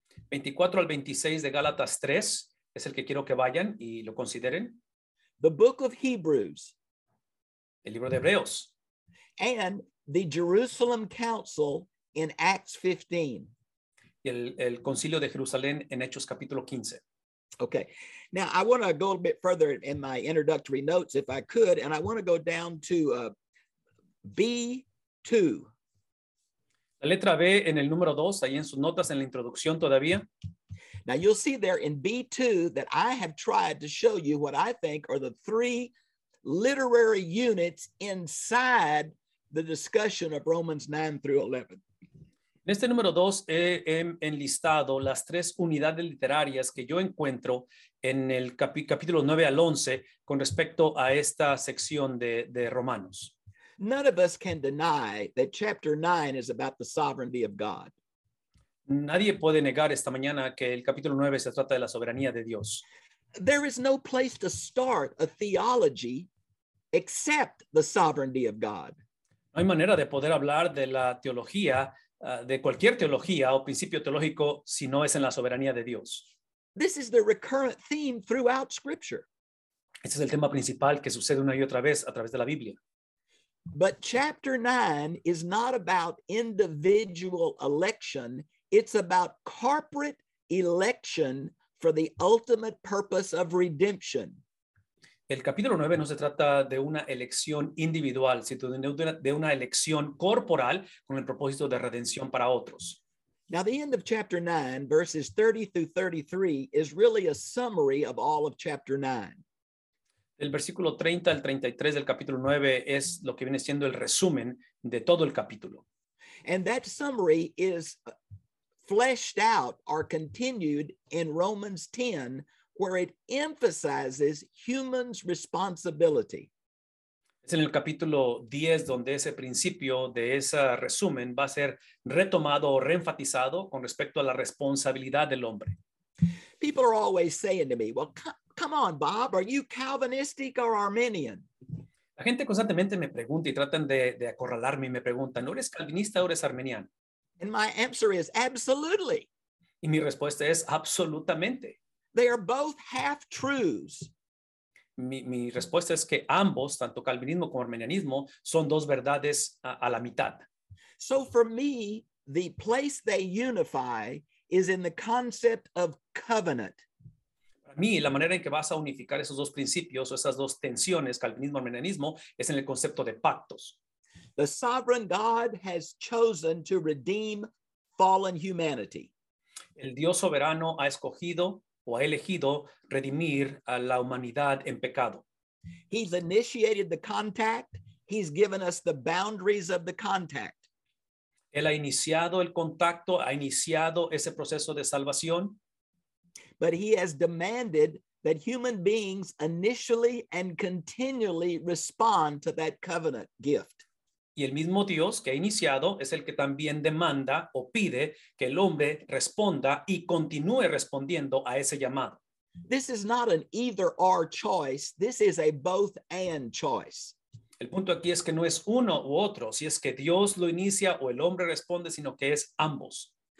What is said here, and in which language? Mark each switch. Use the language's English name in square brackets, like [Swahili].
[Spanish] 24 al 26 de Gálatas 3. Es el que quiero que vayan y lo consideren. [English] The book of Hebrews. [Spanish] El libro de Hebreos. [English] And the Jerusalem Council in Acts 15. [Spanish] Y el Concilio de Jerusalén en Hechos capítulo 15. [English] Okay. Now, I want to go a little bit further in my introductory notes, if I could, and I want to go down to B2. [Spanish] La letra B en el número 2, ahí en sus notas, en la introducción todavía. [English] Now you'll see there in B2 that I have tried to show you what I think are the three literary units inside the discussion of Romans 9 through 11. [Spanish] En este número 2 he enlistado las tres unidades literarias que yo encuentro en el capítulo 9 al 11 con respecto a esta sección de Romanos. [English] None of us can deny that chapter 9 is about the sovereignty of God. [Spanish] Nadie puede negar esta mañana que el capítulo 9 se trata de la soberanía de Dios. [English] There is no place to start a theology except the sovereignty of God. [Spanish] No hay manera de poder hablar de la teología, de cualquier teología o principio teológico, si no es en la soberanía de Dios. [English] This is the recurrent theme throughout Scripture. [Spanish] Este es el tema principal que sucede una y otra vez a través de la Biblia. [English] But chapter 9 is not about individual election. It's about corporate election for the ultimate purpose of redemption. [Spanish] El capítulo 9 no se trata de una elección individual, sino de una elección corporal con el propósito de redención para otros. [English] Now the end of chapter 9, verses 30 through 33, is really a summary of all of chapter 9. [Spanish] El versículo 30 al 33 del capítulo 9 es lo que viene siendo el resumen de todo el capítulo. [English] And that summary is fleshed out or continued in Romans 10, where it emphasizes human's responsibility. [Spanish] Es en el capítulo 10 donde ese principio de ese resumen va a ser retomado o reenfatizado con respecto a la responsabilidad del hombre. [English] People are always saying to me, well, come on, Bob, are you Calvinistic or Arminian? [Spanish] La gente constantemente me pregunta y tratan de acorralarme y me preguntan, ¿no eres calvinista o eres arminiano? [English] And my answer is absolutely. [Spanish] Y mi respuesta es absolutamente. [English] They are both half-truths. [Spanish] Mi respuesta es que ambos, tanto calvinismo como arminianismo, son dos verdades a la mitad. [English] So for me, the place they unify is in the concept of covenant. [Spanish] Para mí, la manera en que vas a unificar esos dos principios o esas dos tensiones, calvinismo y arminianismo, es en el concepto de pactos. [English] The sovereign God has chosen to redeem fallen humanity. [Spanish] El Dios soberano ha escogido o ha elegido redimir a la humanidad en pecado. [English] He's initiated the contact. He's given us the boundaries of the contact. [Spanish] Él ha iniciado el contacto, ha iniciado ese proceso de salvación. [English] But he has demanded that human beings initially and continually respond to that covenant gift. [Spanish] Y el mismo Dios que ha iniciado es el que también demanda o pide que el hombre responda y continúe respondiendo a ese llamado. [English] This is not an either or choice. This is a both and choice. [Spanish] El punto aquí es que no es uno u otro, si es que Dios lo inicia o el hombre responde, sino que es ambos.